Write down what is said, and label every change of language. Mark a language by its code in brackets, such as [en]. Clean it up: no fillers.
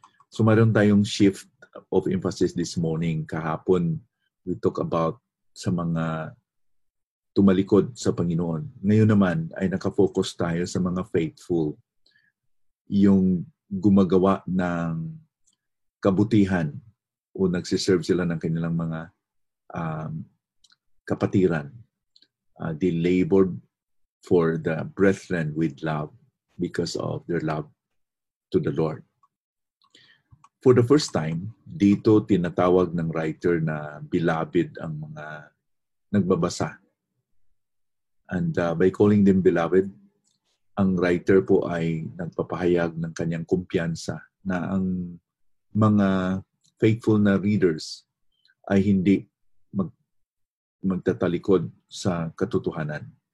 [tl] So mayroon tayong [en] shift of emphasis this morning. [tl] Kahapon, [en] we talk about [tl] sa mga tumalikod sa Panginoon. Ngayon naman ay nakafocus tayo sa mga faithful, yung gumagawa ng kabutihan o nagsiserve sila ng kanilang mga kapatiran. [en] They labored for the brethren with love because of their love to the Lord. For the first time, [tl] dito tinatawag ng writer na beloved ang mga nagbabasa. [en] And by calling them beloved, [tl] ang writer po ay nagpapahayag ng kanyang kumpiyansa na ang mga faithful na readers ay hindi magtatalikod sa katotohanan.